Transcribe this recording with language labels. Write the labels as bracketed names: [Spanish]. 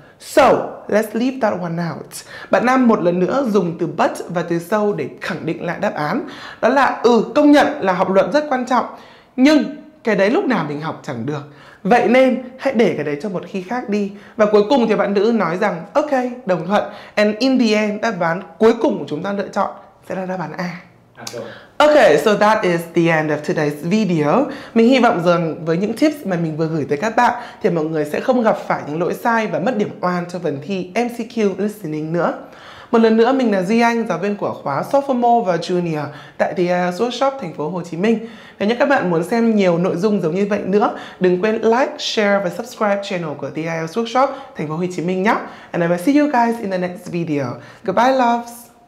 [English] So, let's leave that one out. [Vietnamese] Bạn Nam một lần nữa dùng từ but và từ so để khẳng định lại đáp án. Đó là ừ, công nhận là học luận rất quan trọng. Nhưng cái đấy lúc nào mình học chẳng được. Vậy nên hãy để cái đấy cho một khi khác đi. Và cuối cùng thì bạn nữ nói rằng ok, đồng thuận. [English] And in the end, [Vietnamese] đáp án cuối cùng của chúng ta lựa chọn sẽ là đáp án A. [English] Okay, so that is the end of today's video. [Vietnamese] Mình hy vọng rằng với những tips mà mình vừa gửi tới các bạn thì mọi người sẽ không gặp phải những lỗi sai và mất điểm oan cho phần thi MCQ Listening nữa. Một lần nữa, mình là Duy Anh, giáo viên của khóa Sophomore và Junior tại The IELTS Workshop, thành phố Hồ Chí Minh. Nếu như các bạn muốn xem nhiều nội dung giống như vậy nữa, đừng quên like, share và subscribe channel của The IELTS Workshop, thành phố Hồ Chí Minh nhé. [English] And I will see you guys in the next video. Goodbye, loves!